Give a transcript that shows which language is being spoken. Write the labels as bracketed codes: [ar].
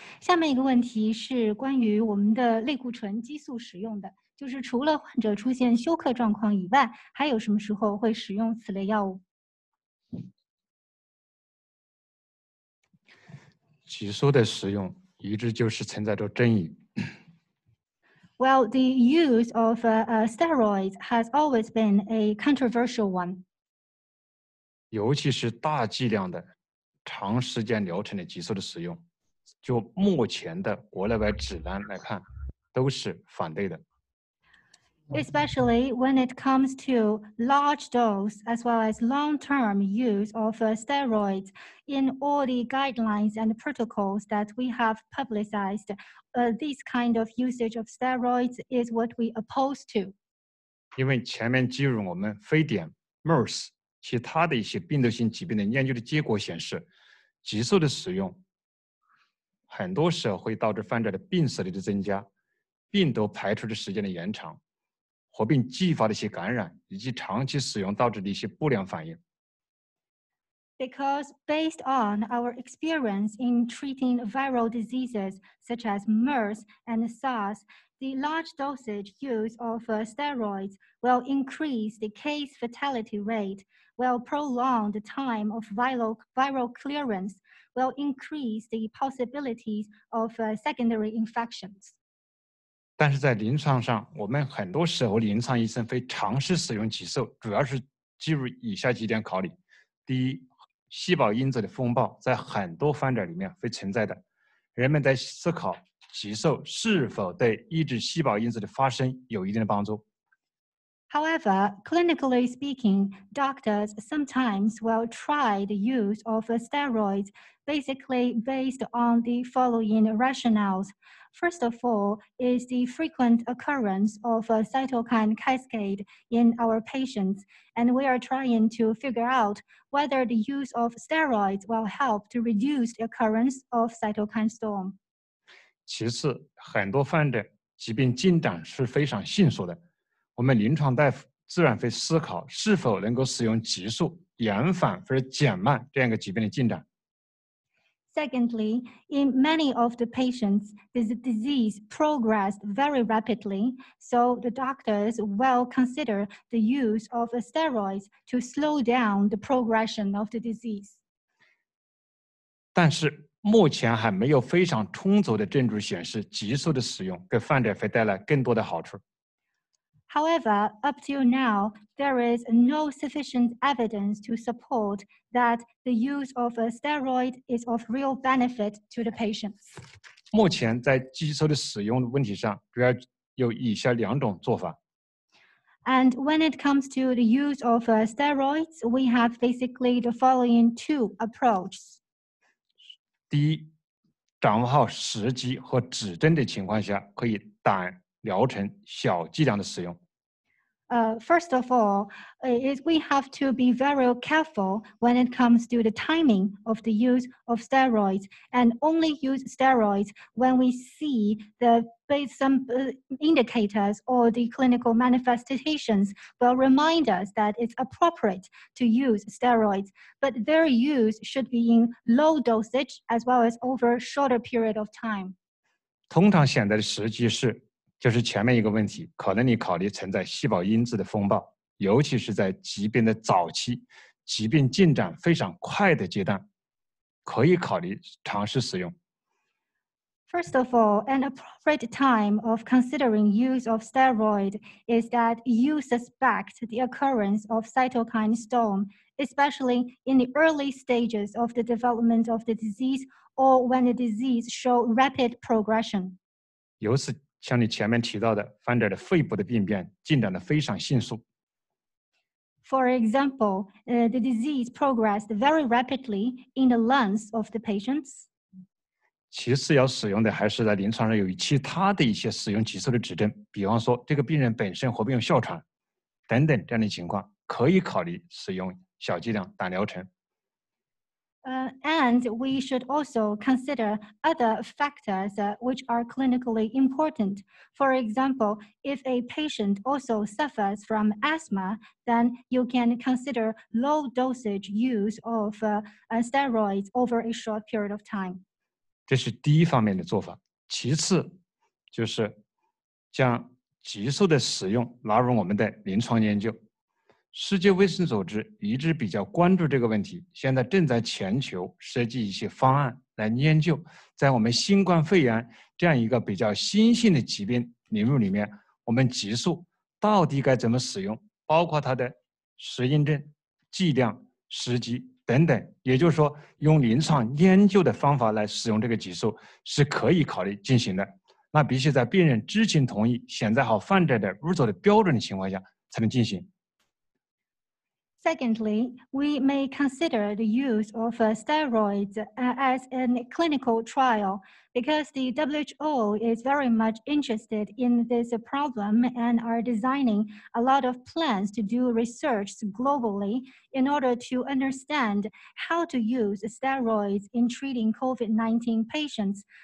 [zh] 下面一个问题是关于我们的类固醇激素使用的，就是除了患者出现休克状况以外，还有什么时候会使用此类药物？激素的使用一直就是存在着争议。 [en] Well, the use of steroids has always been a controversial one. [zh] 尤其是大剂量的、长时间疗程的激素的使用，就目前的国内外指南来看，都是反对的。 [en] Especially when it comes to large dose as well as long-term use of steroids in all the guidelines and protocols that we have publicized, this kind of usage of steroids is what we oppose to. [zh] 因为前面基于我们非典、MERS 其他的一些病毒性疾病的研究的结果显示，激素的使用很多时候会导致患者的病死率的增加，病毒排出的时间的延长。合并继发的一些感染，以及长期使用导致的一些不良反应。 [en] Because based on our experience in treating viral diseases such as MERS and SARS, the large dosage use of steroids will increase the case fatality rate, will prolong the time of viral clearance, will increase the possibilities of secondary infections. [zh] 但是在临床上，我们很多时候临床医生会尝试使用激素，主要是基于以下几点考虑：第一，细胞因子的风暴在很多患者里面会存在的，人们在思考激素是否对抑制细胞因子的发生有一定的帮助。 [en] However, clinically speaking, doctors sometimes will try the use of steroids basically based on the following rationales. First of all, is the frequent occurrence of a cytokine cascade in our patients, and we are trying to figure out whether the use of steroids will help to reduce the occurrence of cytokine storm. [zh] 其次，很多患者疾病进展是非常迅速的。我们临床大夫自然会思考是否能够使用激素延缓或者减慢这样一个疾病的进展。 [en] Secondly, in many of the patients, this disease progressed very rapidly, so the doctors will consider the use of steroids to slow down the progression of the disease. [zh] 但是目前还没有非常充足的证据显示激素的使用给患者会带来更多的好处。 [en] However, up till now, there is no sufficient evidence to support that the use of a steroid is of real benefit to the patients. [zh] 目前在激素的使用问题上，主要有以下两种做法。 [en] And when it comes to the use of steroids, we have basically the following two approaches. [zh] 第一，掌握好时机和指针的情况下，可以胆疗程小剂量的使用。 [en] First of all, we have to be very careful when it comes to the timing of the use of steroids and only use steroids when we see some indicators or the clinical manifestations will remind us that it's appropriate to use steroids, but their use should be in low dosage as well as over a shorter period of time. [zh] 通常选择的时机是就是前面一个问题，可能你考虑存在细胞因子的风暴，尤其是在疾病的早期，疾病进展非常快的阶段，可以考虑尝试使用。 [en] First of all, an appropriate time of considering use of steroid is that you suspect the occurrence of cytokine storm, especially in the early stages of the development of the disease or when the disease shows rapid progression. [zh] 由此像你前面提到的，患者的肺部的病变进展的非常迅速。 [en] For example, the disease progressed very rapidly in the lungs of the patients. [zh] 其次要使用的还是在临床上有其他的一些使用激素的指针，比方说这个病人本身或病有哮喘等等这样的情况，可以考虑使用小剂量胆疗程。 [en] And we should also consider other factors which are clinically important. For example, if a patient also suffers from asthma, then you can consider low dosage use of steroids over a short period of time. [zh] 这是第一方面的做法。其次，就是将激素的使用纳入我们的临床研究。世界卫生组织一直比较关注这个问题，现在正在全球设计一些方案来研究，在我们新冠肺炎这样一个比较新兴的疾病领域里面，我们激素到底该怎么使用，包括它的适应症、剂量、时机等等。也就是说，用临床研究的方法来使用这个激素是可以考虑进行的。那必须在病人知情同意、选择好患者的入手的标准的情况下才能进行。 [en] Secondly, we may consider the use of steroids as a clinical trial because the WHO is very much interested in this problem and are designing a lot of plans to do research globally in order to understand how to use steroids in treating COVID-19 patients,